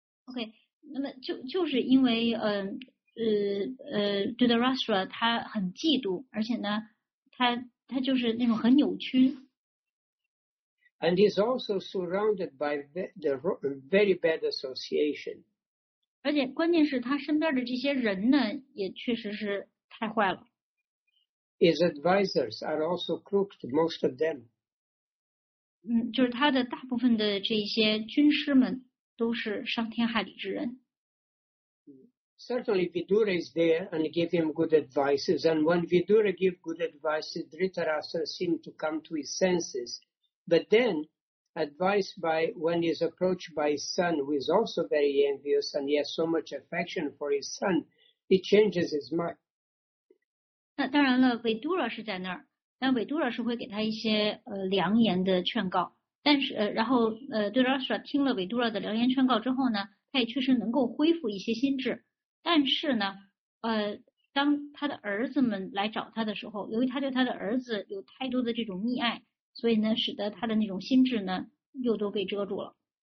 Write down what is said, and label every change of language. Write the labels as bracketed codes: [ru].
[zh] Okay, 那么就是因为Dhritarashtra 他很嫉妒，而且呢，他就是那种很扭曲。 [en] And he's also surrounded by the very bad association. [zh] 而且关键是他身边的这些人呢，也确实是太坏了。 [en] His advisors are also crooked, most of them. [zh] 就是他的大部分的这些军师们都是伤天害理之人。 [en] Certainly, Vidura is there and give him good advices. And when Vidura give good advices, Dhritarashtra seem to come to his senses. But then, advice by when he is approached by his son, who is also very envious and he has so much affection for his son, he changes his mind. [zh] 那当然了，维多拉是在那儿，但维多拉是会给他一些良言的劝告。但是然后对拉斯听了维多拉的良言劝告之后呢，他也确实能够恢复一些心智。但是呢，当他的儿子们来找他的时候，由于他对他的儿子有太多的这种溺爱，所以呢，使得他的那种心智呢又都被遮住了。